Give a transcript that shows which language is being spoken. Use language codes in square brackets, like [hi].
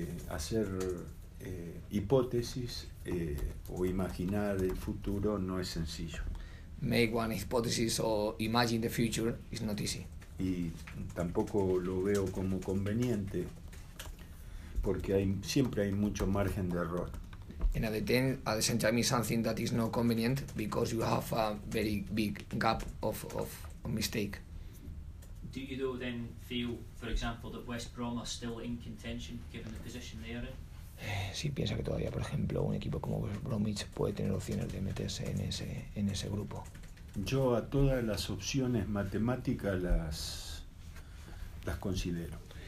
[es] Hacer hipótesis o imaginar el futuro no es sencillo. [en] Make one hypothesis or imagine the future is not easy. [es] Y tampoco lo veo como conveniente. Porque siempre hay mucho margen de error. [en] And at the same time is something that is not convenient because you have a very big gap of mistake. Do you though then feel, for example, that West Brom are still in contention given the position they are in? [es] Sí, piensa que todavía, por ejemplo, un equipo como West Bromwich puede tener opciones de meterse en ese grupo. Yo a todas las opciones matemáticas las considero.